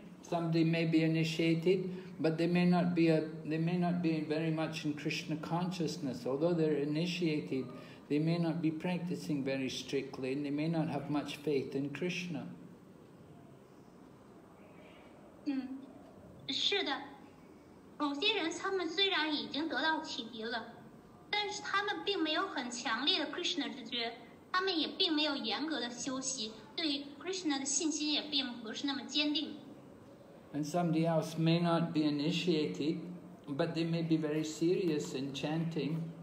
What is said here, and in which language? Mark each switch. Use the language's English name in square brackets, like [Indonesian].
[English] Somebody may be initiated, but they may not be very much in Krishna consciousness. Although they're initiated, they may not be practicing very strictly, and they may not have much faith in Krishna. [Chinese] 是的，某些人他们虽然已经得到启迪了，但是他们并没有很强烈的Krishna直觉。 [English] And somebody else may not be initiated, but they may be very serious in chanting.